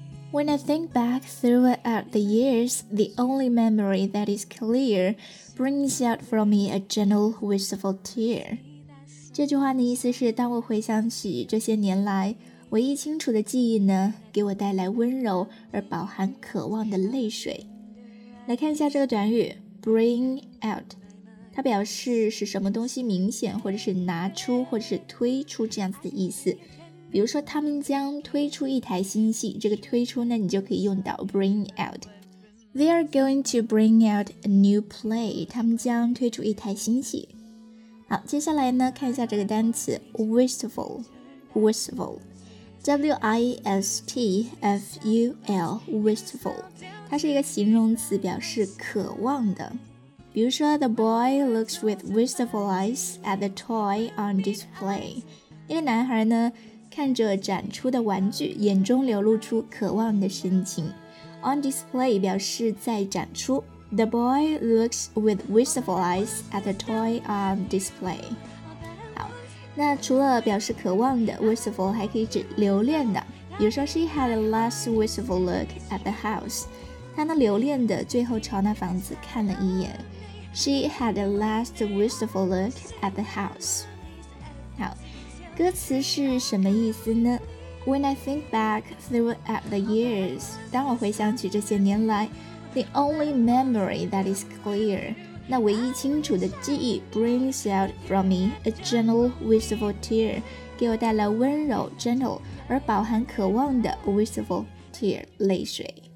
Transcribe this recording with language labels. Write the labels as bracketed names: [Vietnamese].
[English] When I think back throughout the years, the only memory that is clear brings out from me a gentle wistful tear. [Chinese] 这句话的意思是，当我回想起这些年来，唯一清楚的记忆呢，给我带来温柔而饱含渴望的泪水。来看一下这个短语 bring out， 它表示使什么东西明显，或者是拿出，或者是推出这样子的意思。比如说他们将推出一台新戏，这个推出呢，你就可以用到 bring out。 [English] They are going to bring out a new play， [Chinese] 他们将推出一台新戏。好，接下来呢，看一下这个单词 wistful， wistful， W-I-S-T-F-U-L， wistful， 它是一个形容词，表示渴望的。比如说 [English] The boy looks with wistful eyes at the toy on display， [Chinese] 那个男孩呢看着展出的玩具，眼中流露出渴望的神情。 On display 表示在展出。 [English] The boy looks with wistful eyes at the toy on display。 [Chinese] 好，那除了表示渴望的， wistful 还可以指留恋的。比如说 [English] She had a last wistful look at the house， [Chinese] 她呢留恋的最后朝那房子看了一眼。 [English] She had a last wistful look at the house。 [Chinese] 歌词是什么意思呢？ [English] When I think back throughout the years， [Chinese] 当我回想起这些年来， [English] The only memory that is clear， [Chinese] 那唯一清楚的记忆， [English] brings out from me a gentle wistful tear， [Chinese] 给我带来温柔 [English] gentle [Chinese] 而饱含渴望的 [English] wistful tear [Chinese] 泪水。